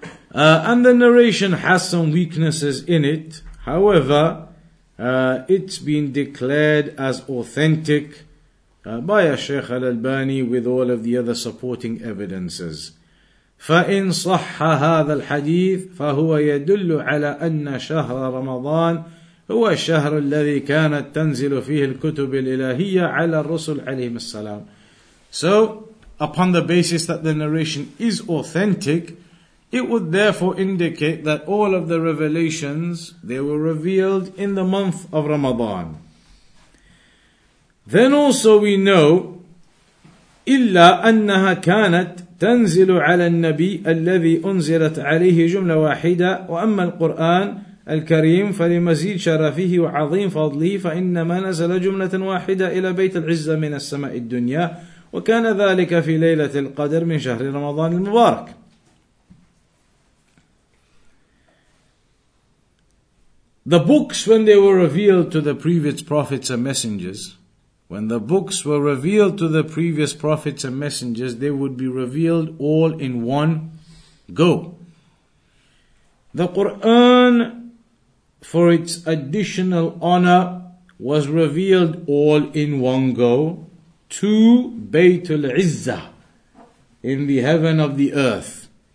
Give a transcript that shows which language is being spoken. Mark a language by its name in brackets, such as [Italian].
[English] And the narration has some weaknesses in it. However, it's been declared as authentic by Ash-Shaykh al-Albani with all of the other supporting evidences. [Arabic] فَإِنْ صَحَّ هَذَا الْحَدِيثِ فَهُوَ يَدُلُّ عَلَىٰ أَنَّ شَهْرَ رَمَضَانِ هو الشهر الذي كانت تنزل فيه الكتب الإلهية على الرسل عليهم السلام. [English] So, upon the basis that the narration is authentic, it would therefore indicate that all of the revelations, they were revealed in the month of Ramadan. Then also we know, [Arabic] إلا أنها كانت تنزل على النبي الذي أنزلت عليه جملة واحدة وأما القرآن الكريم فلمزيد شرفه وعظيم فضله فإنما نزل جملة واحدة إلى بيت العزة من السماء الدنيا وكان ذلك في ليلة القدر من شهر رمضان المبارك. [English] The books, when they were revealed to the previous prophets and messengers, when the books were revealed to the previous prophets and messengers, they would be revealed all in one go. The Quran, for its additional honor, was revealed all in one go to Baytul Izzah in the heaven of the earth.